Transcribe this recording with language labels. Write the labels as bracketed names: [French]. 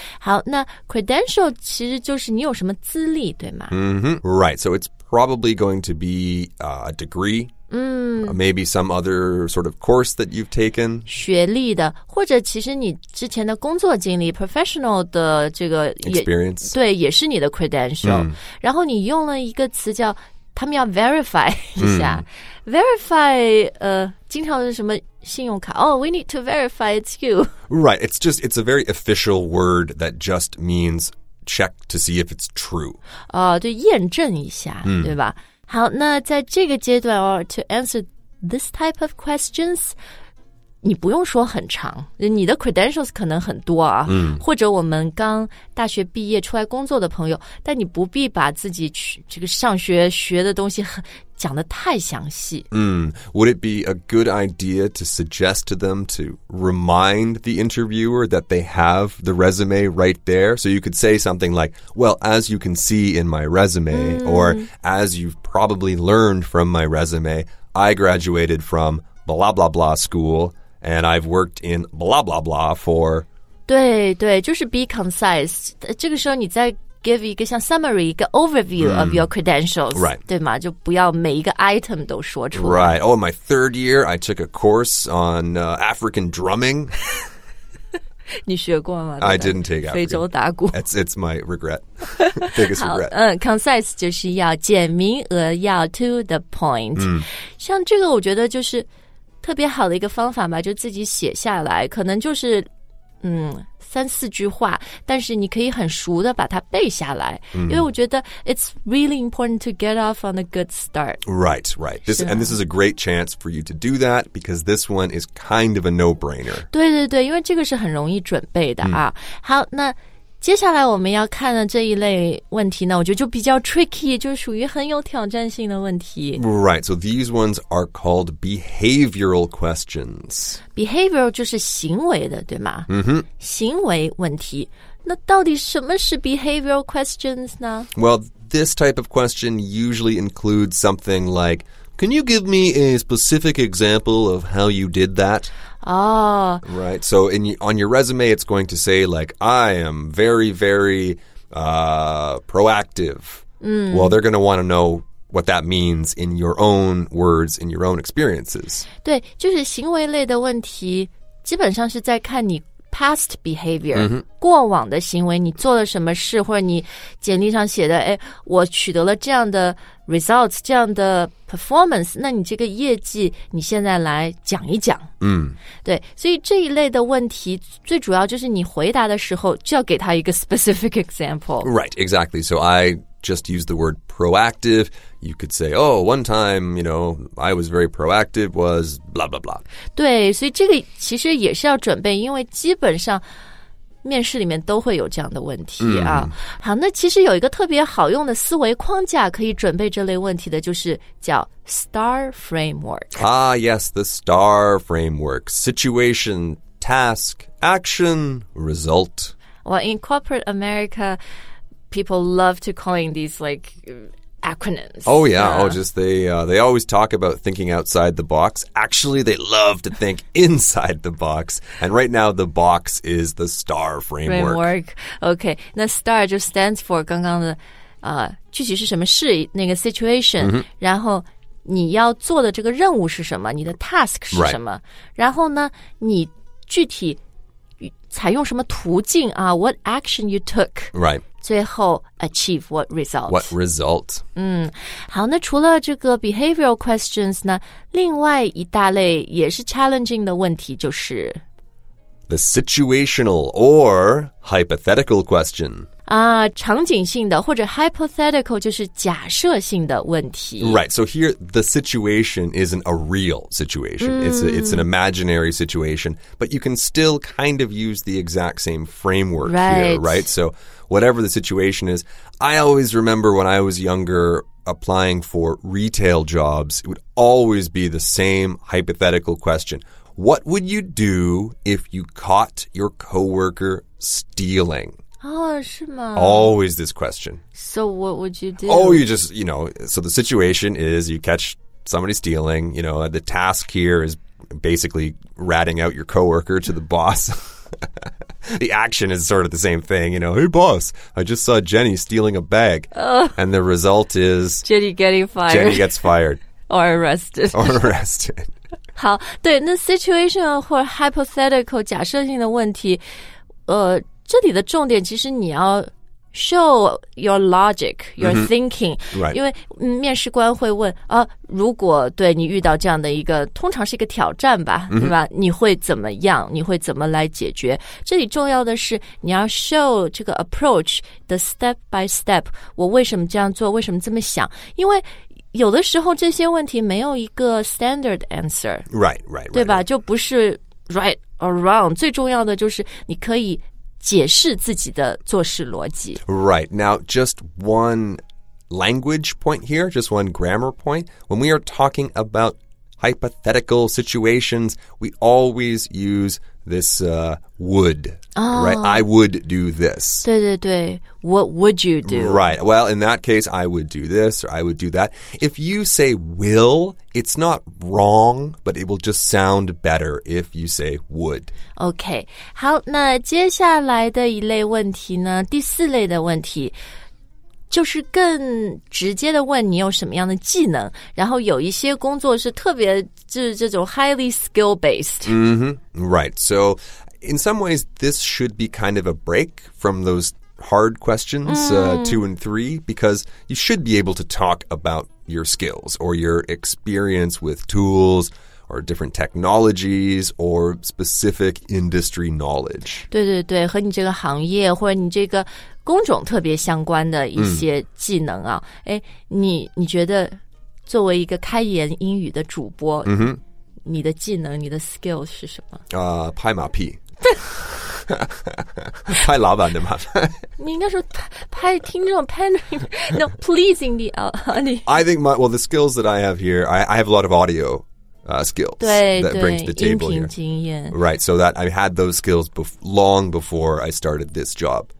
[Chinese] 好，那 credential 其实就是你有什么资历，对吗？ [English] Right, so it's probably going to be a degree, Maybe some other sort of course that you've taken. [Chinese] 学历的，或者其实你之前的工作经历 professional 的这个 [English] experience， [Chinese] 对，也是你的 credential、mm. 然后你用了一个词叫他们要 verify 一下、mm. [English] verify [Chinese] 经常是什么信用卡 [English] oh we need to verify it's you right it's just it's a very official word that just means check to see if it's true [Chinese] 对验证一下、mm. 对吧好那在这个阶段、哦、 [English] to answer this type of questions, [Chinese] 你不用说很长你的 credentials 可能很多啊、嗯、或者我们刚大学毕业出来工作的朋友但你不必把自己去这个上学学的东西很讲得太详细。 [English] 嗯 ,would it be a good idea to suggest to them to remind the interviewer that they have the resume right there? So you could say something like, well, as you can see in my resume,、嗯、 or as you've probably learned from my resume, I graduated from blah blah blah school, and I've worked in blah blah blah for... [Chinese] 对对就是 [English] be concise. [Chinese] 这个时候你在give 一个像 summary, 一个 overview、mm. [English] of your credentials,、 right. [Chinese] 对吗就不要每一个 item 都说出来。 [English] Right. Oh, in my third year, I took a course on、African drumming. [Chinese] 你学过吗 [English] I didn't take African. [Chinese] 非洲打鼓。 [English] It's my regret. Biggest regret. [Chinese] 好、concise 就是要简明扼要 [English] to the point.、 Mm. [Chinese] 像这个我觉得就是特别好的一个方法嘛就自己写下来可能就是三四句话但是你可以很熟的把它背下来、 mm. 因为我觉得 [English] it's really important to get off on a good start. Right, right. This, and this is a great chance for you to do that because this one is kind of a no-brainer. [Chinese] 对对对因为这个是很容易准备的啊。Mm. 好那接下来我们要看的这一类问题呢我觉得就比较 tricky 就属于很有挑战性的问题。 [English] Right, so these ones are called behavioral questions. [Chinese] Behavioral 就是行为的对吗、 mm-hmm. 行为问题。那到底什么是 behavioral questions 呢 [English] Well, this type of question usually includes something like, can you give me a specific example of how you did that? Oh. Right. So on your resume, it's going to say, like, I am very, very proactive.、 Mm. Well, they're going to want to know what that means in your own words, in your own experiences. [Chinese] 对，就是行为类的问题，基本上是在看你 [English] past behavior、 mm-hmm. [Chinese] 过往的行为你做了什么事或者你简历上写的哎，我取得了这样的 results 这样的 performance 那你这个业绩你现在来讲一讲、 mm. 对所以这一类的问题最主要就是你回答的时候就要给他一个 [English] specific example Right, exactly So I just use the word proactive You could say Oh, one time You know I was very proactive Was blah blah blah [Chinese] 对所以这个其实也是要准备因为基本上面试里面都会有这样的问题啊。 Mm. 好那其实有一个特别好用的思维框架可以准备这类问题的就是叫 STAR framework [English] Ah yes The STAR framework Situation Task Action Result Well in corporate AmericaPeople love to coin these, like, acronyms. Oh, yeah. Oh, just they always talk about thinking outside the box. Actually, they love to think inside the box. And right now, the box is the STAR framework. Framework. Okay. [Chinese] 那 STAR 就 [English] stands for [Chinese] 刚刚的、具体是什么事那个 situation.、 Mm-hmm. 然后你要做的这个任务是什么你的 task 是什么、 [English] right. [Chinese] 然后呢你具体采用什么途径啊 [English] what action you took. Right. [Chinese] 最后 [English] achieve what result? What result? [Chinese] 嗯，好，那除了这个 behavioral questions 呢，另外一大类也是 challenging 的问题就是 [English] the situational or hypothetical question. [Chinese] 啊，场景性的或者 hypothetical 就是假设性的问题。 [English] Right, so here the situation isn't a real situation.、嗯、 it's an imaginary situation, but you can still kind of use the exact same framework right. here, right? So,whatever the situation is, I always remember when I was younger applying for retail jobs, it would always be the same hypothetical question. What would you do if you caught your coworker stealing? [Chinese] Oh, 是吗? [English] Always this question. So what would you do? Oh, you just, you know, so the situation is you catch somebody stealing, you know, the task here is basically ratting out your coworker to the boss. The action is sort of the same thing, you know. Hey, boss, I just saw Jenny stealing a bag. And the result is... Jenny getting fired. Jenny gets fired. or arrested. Or arrested. [Chinese] 好，对，那 situational 或 hypothetical 假设性的问题，这里的重点其实你要 [English] show your logic, your thinking. Right. [Chinese] 因为面试官会问如果对你遇到这样的一个通常是一个挑战吧、mm-hmm. 对吧你会怎么样你会怎么来解决这里重要的是你要 show 这个 approach, [English] the step by step, [Chinese] 我为什么这样做为什么这么想因为有的时候这些问题没有一个 [English] standard answer. Right. [Chinese] 对吧就不是 [English] right or wrong, [Chinese] 最重要的就是你可以解释自己的做事逻辑。 [English] Right. Now, just one language point here, just one grammar point. When we are talking about hypothetical situations, we always use this would.、 Oh. Right? I would do this. [Chinese] 对对对 [English] What would you do? Right. Well, in that case, I would do this or I would do that. If you say will, it's not wrong, but it will just sound better if you say would. Okay. [Chinese] 好那接下来的一类问题呢第四类的问题就是更直接的问你有什么样的技能然后有一些工作是特别就是这种 highly skill based、 mm-hmm. [English] Right, so in some ways this should be kind of a break from those hard questions、mm. 2 and 3 because you should be able to talk about your skills or your experience with toolsOr different technologies or specific industry knowledge. [Chinese] 对对对和你这个行业或者你这个工种特别相关的一些技能啊、mm. 诶你觉得作为一个开言英语的主播、 mm-hmm. 你的技能你的 skill 是什么、拍马屁。拍老板的麻烦。你应该说 拍听众 [English] pandering, no, pleasing the audience. I think the skills that I have here, I have a lot of audio. Skills [Chinese] 对, [English] that bring to the table here. [Chinese] 音频经验 [English] Right, so that I had those skills long before I started this job.